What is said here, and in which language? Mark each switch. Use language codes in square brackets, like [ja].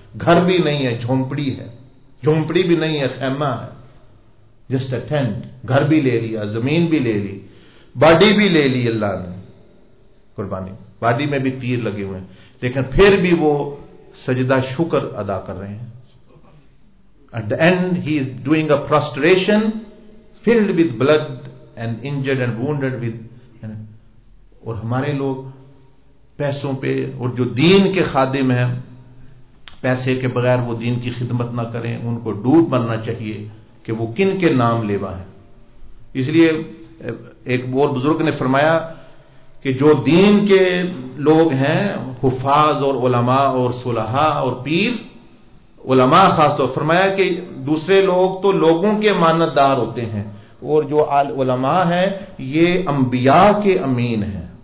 [ur] گھر بھی نہیں ہے، جھونپڑی ہے، جھونپڑی بھی نہیں ہے، خیمہ ہے، [en] Just a tent. [ur] گھر بھی لے لیا، زمین بھی لے لی، باڈی بھی لے لی اللہ نے قربانی، باڈی میں بھی تیر لگے ہوئے ہیں، لیکن پھر بھی وہ سجدہ شکر ادا کر رہے ہیں. [en] At the end, he is doing a prostration filled with blood and injured and wounded with. [ur] اور ہمارے لوگ پیسوں پہ، اور جو دین کے خادم ہیں، پیسے کے بغیر وہ دین کی خدمت نہ کریں، ان کو ڈوب مرنا چاہیے کہ وہ کن کے نام لیوا ہے. اس لیے ایک اور بزرگ نے فرمایا کہ جو دین کے لوگ ہیں، حفاظ اور علماء اور صلحاء اور پیر، علماء خاص طور، فرمایا کہ دوسرے لوگ تو لوگوں کے امانت دار ہوتے ہیں، اور جو علماء ہیں یہ انبیاء کے امین ہیں.